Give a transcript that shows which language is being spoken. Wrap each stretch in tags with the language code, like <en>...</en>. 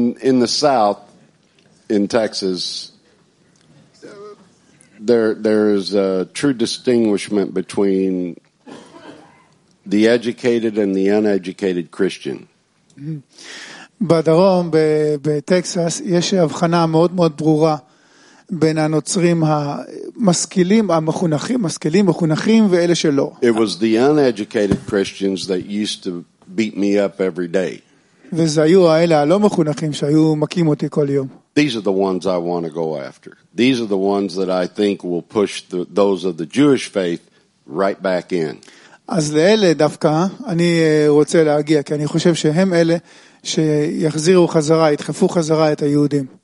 <en>In the south, in Texas, there is a true distinguishment between the educated and the uneducated Christian.</en> <he>בדרום בטקסס יש הבחנה מאוד מאוד ברורה בין הנוצרים המשכילים המחונכים ואלה שלא.</he> <en>It was the uneducated Christians that used to beat me up every day.</en> <he>וזה היו האלה הלא מחונכים שהיו מכים אותי כל יום.</he> <en>These are the ones I want to go after. These are the ones that I think will push those of the Jewish faith right back in.</en> <he>אז לאלה דווקא אני רוצה להגיע, כי אני חושב שהם אלה שיחזירו חזרה, ידחפו חזרה את היהודים.</he>